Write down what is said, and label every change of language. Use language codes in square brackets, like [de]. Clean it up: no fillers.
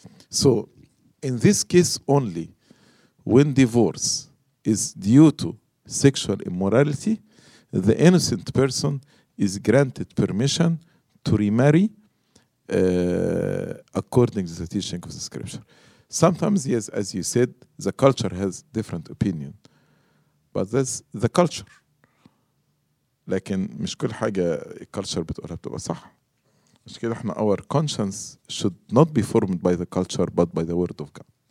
[en] So in this case only, when divorce is due to sexual immorality, the innocent person is granted permission to remarry according to the teaching of the scripture. Sometimes, yes, as you said, the culture has different opinion. But that's the culture. [ar] لكن مش كل حاجة culture بتقولها بتبقى صح. مش كده احنا [en] our conscience should not be formed by the culture but by the word of God.